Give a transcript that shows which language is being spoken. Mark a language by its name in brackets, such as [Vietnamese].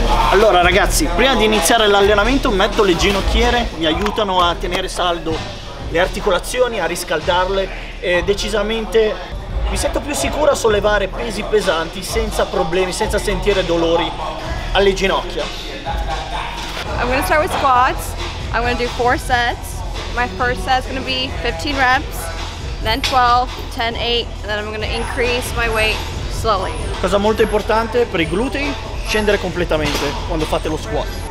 [Italian] Allora ragazzi, prima di iniziare l'allenamento metto le ginocchiere, mi aiutano a tenere saldo le articolazioni, a riscaldarle, e decisamente mi sento più sicuro a sollevare pesi pesanti senza problemi, senza sentire dolori alle ginocchia. [English] I'm gonna start with squats. I'm gonna do 4 sets. My first set is gonna be 15 reps, then 12, 10, 8, and then I'm gonna increase my weight slowly. [Italian] Cosa molto importante per i glutei: scendere completamente quando fate lo squat.